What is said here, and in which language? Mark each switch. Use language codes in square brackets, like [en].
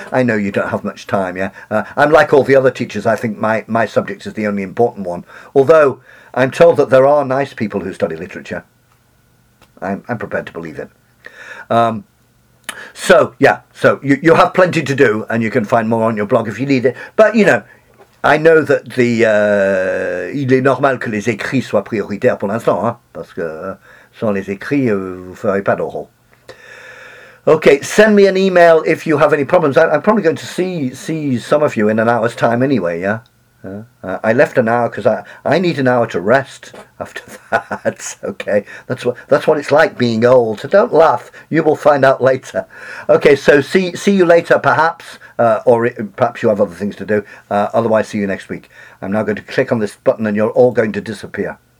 [en] I know you don't have much time, yeah? I'm like all the other teachers. I think my subject is the only important one. Although, I'm told that there are nice people who study literature. I'm prepared to believe it. So you have plenty to do, and you can find more on your blog if you need it. But, you know, I know that the... [fr] il est normal que les écrits soient prioritaires pour l'instant, hein, parce que sans les écrits, vous ne ferez pas d'oral. [en] Okay, send me an email if you have any problems. I'm probably going to see some of you in an hour's time anyway, yeah? I left an hour because I need an hour to rest after that. Okay, that's what it's like being old. So don't laugh. You will find out later. Okay, so see you later, perhaps, perhaps you have other things to do. Otherwise, see you next week. I'm now going to click on this button, and you're all going to disappear.